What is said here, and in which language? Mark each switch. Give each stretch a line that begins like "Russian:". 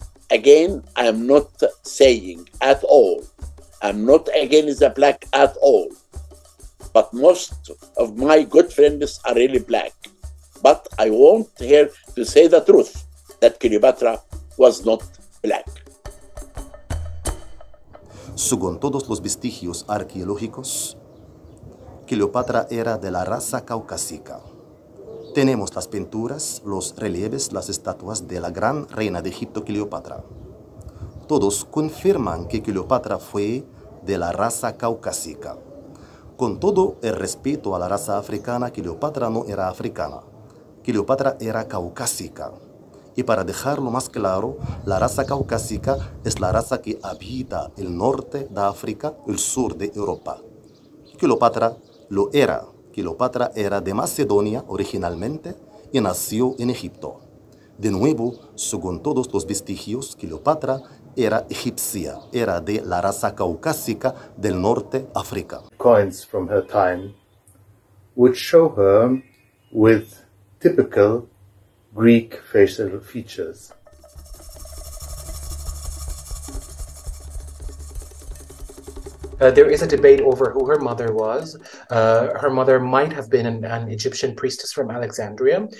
English: Again, I'm not saying at all. I'm not against the black at all. But most of my good friends are really black. But I won't hear to say the truth that Cleopatra was not black.
Spanish: Según todos los vestigios arqueológicos, Cleopatra era de la raza caucásica. Tenemos las pinturas, los relieves, las estatuas de la gran reina de Egipto, Cleopatra. Todos confirman que Cleopatra fue de la raza caucásica. Con todo el respeto a la raza africana, Cleopatra no era africana. Cleopatra era caucásica. Y para dejarlo más claro, la raza caucásica es la raza que habita el norte de África, el sur de Europa. Cleopatra lo era. Cleopatra era de Macedonia originalmente y nació en Egipto. De nuevo, según todos los vestigios, Cleopatra era egipcia, era de la raza caucásica del norte África.
English: Coins from her time would show her with typical Greek facial features. There is a debate over who her mother was. Her mother might have been an Egyptian priestess from Alexandria.